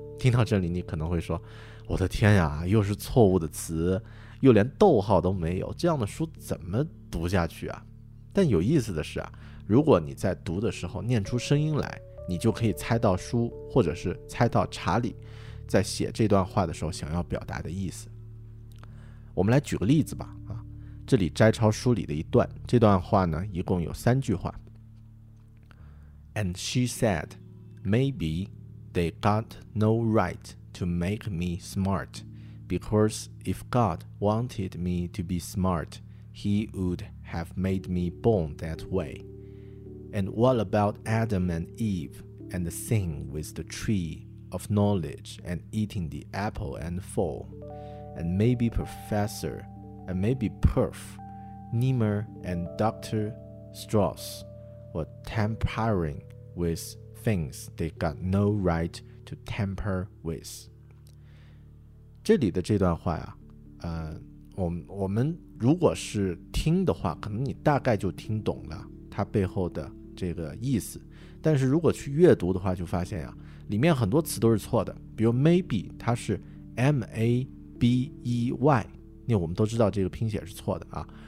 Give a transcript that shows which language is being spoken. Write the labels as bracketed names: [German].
[Chinese] 听到这里你可能会说，我的天呀，又是错误的词，又连逗号都没有，这样的书怎么读下去但有意思的是如果你在读的时候念出声音来，你就可以猜到书或者是猜到查理在写这段话的时候想要表达的意思。我们来举个例子吧这里摘抄书里的一段，这段话呢一共有三句话。 [English] And she said, maybe they got no right to make me smart. Because if God wanted me to be smart, he would have made me born that way. And what about Adam and Eve and the sin with the tree of knowledge and eating the apple and fall? And maybe Professor and maybe Perf, Niemer and Dr. Strauss were tampering with things they got no right to tamper with. [Chinese] 这里的这段话啊，我们如果是听的话，可能你大概就听懂了它背后的这个意思。但是如果去阅读的话，就发现啊，里面很多词都是错的。比如 maybe， 它是 m a b e y， 那我们都知道这个拼写是错的啊。